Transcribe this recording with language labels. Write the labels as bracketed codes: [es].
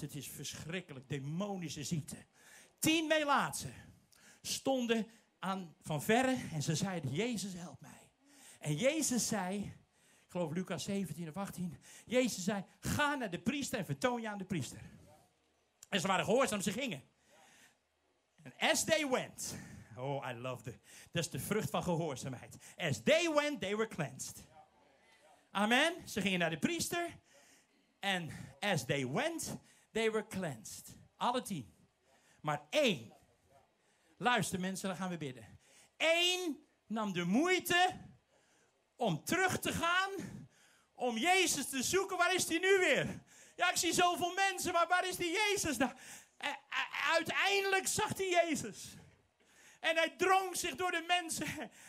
[nl] Het is verschrikkelijk. Demonische ziekte. 10 melaatsen stonden van verre en ze zeiden, Jezus help mij. En Jezus zei, ik geloof Lucas 17 of 18. Jezus zei, ga naar de priester en vertoon je aan de priester. En ze waren gehoorzaam, ze gingen. En [en] as they went, oh, I love it. [nl] Dat is de vrucht van gehoorzaamheid. [en] As they went, they were cleansed. [nl] Amen. Ze gingen naar de priester. En [en] as they went, they were cleansed. [nl] Alle 10. Maar 1. Luister mensen, dan gaan we bidden. 1 nam de moeite om terug te gaan, om Jezus te zoeken. Waar is die nu weer? Ja, ik zie zoveel mensen, maar waar is die Jezus? Uiteindelijk zag hij Jezus. En hij drong zich door de mensen.